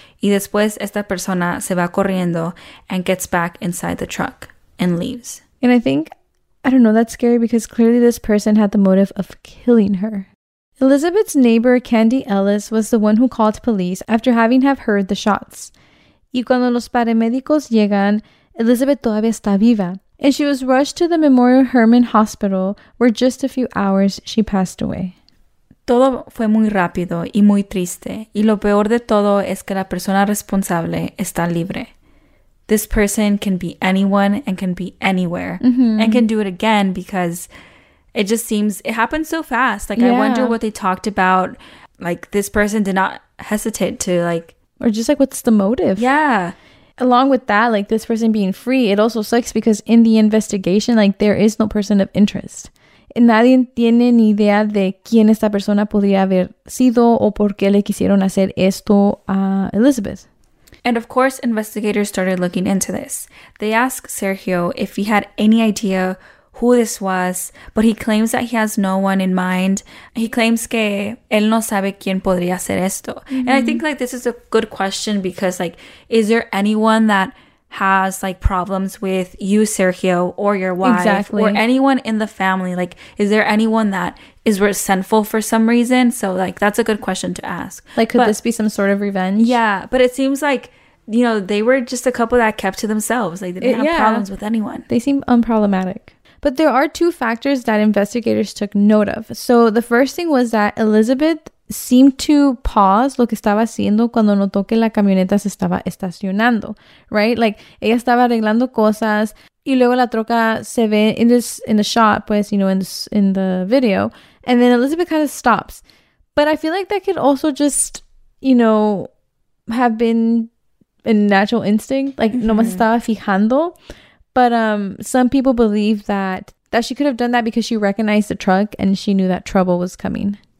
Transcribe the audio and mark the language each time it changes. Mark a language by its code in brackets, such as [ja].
[es] Y después esta persona se va corriendo [en] and gets back inside the truck. And leaves. And I think, I don't know, that's scary because clearly this person had the motive of killing her. Elizabeth's neighbor, Candy Ellis, was the one who called police after having have heard the shots. [es] Y cuando los paramédicos llegan, Elizabeth todavía está viva. [en] And she was rushed to the Memorial Hermann Hospital, where just a few hours she passed away. [es] Todo fue muy rápido y muy triste. Y lo peor de todo es que la persona responsable está libre. [en] This person can be anyone and can be anywhere and can do it again because it just seems it happened so fast. Like, yeah. I wonder what they talked about. Like, this person did not hesitate to, like, Or just like, what's the motive? Yeah. Along with that, like this person being free, it also sucks because in the investigation, like there is no person of interest. [es] Nadie tiene ni idea de quién esta persona podría haber sido o por qué le quisieron hacer esto a Elizabeth. [en] And of course, investigators started looking into this. They asked Sergio if he had any idea who this was, but he claims that he has no one in mind. He claims [es] que él no sabe quién podría hacer esto. Mm-hmm. [en] And I think like this is a good question because like, is there anyone that has like problems with you, Sergio, or your wife, exactly, or anyone in the family? Like, is there anyone that is resentful for some reason? So like, that's a good question to ask. Like, could this be some sort of revenge? Yeah, but it seems like, you know, they were just a couple that kept to themselves. Like, they didn't have problems with anyone. They seem unproblematic. But there are two factors that investigators took note of. So the first thing was that Elizabeth seemed to pause [es] lo que estaba haciendo cuando notó que la camioneta se estaba estacionando, right? Like, ella estaba arreglando cosas y luego la troca se ve [en] in the shot, [es] pues, [en] you know, in the video. And then Elizabeth kind of stops. But I feel like that could also just, you know, have been a natural instinct. Like, mm-hmm. [es] Nomás estaba fijando. [en] But some people believe that she could have done that because she recognized the truck and she knew that trouble was coming.